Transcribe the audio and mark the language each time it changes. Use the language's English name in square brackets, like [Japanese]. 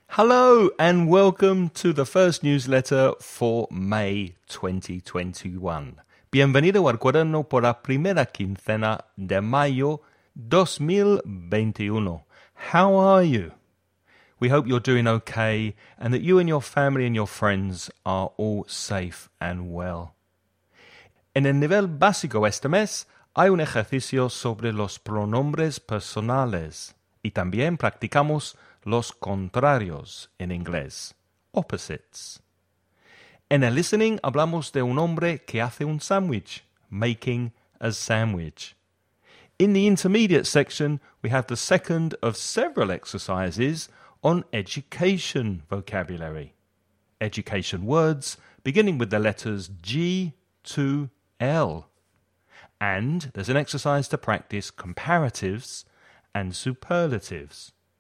[English] Hello and welcome to the first newsletter for May 2021. [Spanish] Bienvenido al cuaderno por la primera quincena de mayo 2021. [English] How are you? We hope you're doing okay and that you and your family and your friends are all safe and well. [Spanish] En el nivel básico este mes, hay un ejercicio sobre los pronombres personales y también practicamos los contrarios en inglés, opposites. En el listening hablamos de un hombre que hace un sandwich, [English] making a sandwich. In the intermediate section, we have the second of several exercises on education vocabulary. Education words beginning with the letters G to L. And there's an exercise to practice comparatives and superlatives.